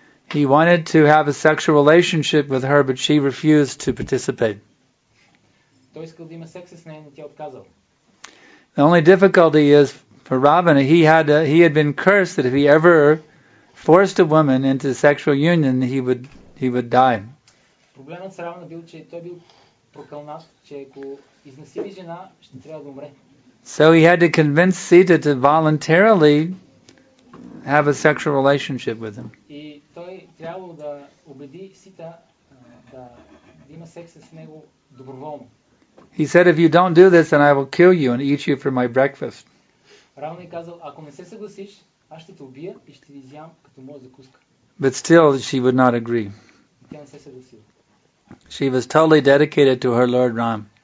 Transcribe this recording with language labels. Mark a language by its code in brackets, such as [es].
[en] He wanted to have a sexual relationship with her, but she refused to participate. [bg] Той искал да има секс с нея, но тя отказал. [en] The only difficulty is for Ravana, he had been cursed that if he ever forced a woman into sexual union, he would die. [bg] Проблемът с Равана бил, че той бил прокълнат, че ако изнасили жена, ще трябва да умре. [en] So he had to convince Sita to voluntarily have a sexual relationship with him. [bg] И той трябвало да убеди Сита да има секс с него доброволно. [en] He said, if you don't do this, then I will kill you and eat you for my breakfast. [bg] Равана казал, ако не се съгласиш, аз ще те убия и ще ти изям като моя закуска. [en] But still, she would not agree. [bg] Тя не се съгласила. [en] She was totally dedicated to her Lord Ram.